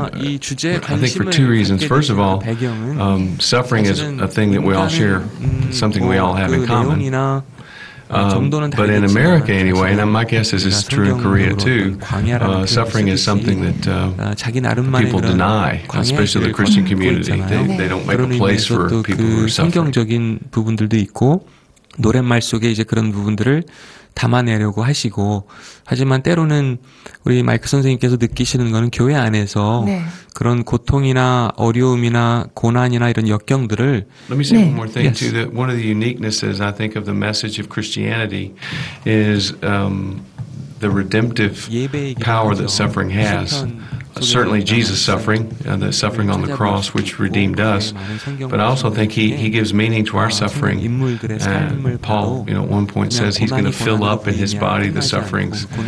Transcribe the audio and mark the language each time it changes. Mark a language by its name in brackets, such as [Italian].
[English] I think for two reasons. First of all, suffering is a thing that we all share, something we all have in common." But in America anyway, and my guess is it's true in Korea too, suffering is something that people deny, especially the Christian community. They don't make a place for people who are suffering. [Korean] 성경적인 부분들도 있고 노랫말 속에 이제 그런 부분들을 담아내려고 하시고 하지만 때로는 우리 마이크 선생님께서 느끼시는 거는 교회 안에서 그런 고통이나 어려움이나 고난이나 이런 역경들을 [English] Let me say one more thing too. That one of the uniquenesses I think of the message of Christianity is the redemptive power that suffering has. Certainly Jesus suffering, the suffering on the cross, which redeemed us. But I also think he gives meaning to our suffering. And Paul, you know, at one point says he's going to fill up in his body the sufferings.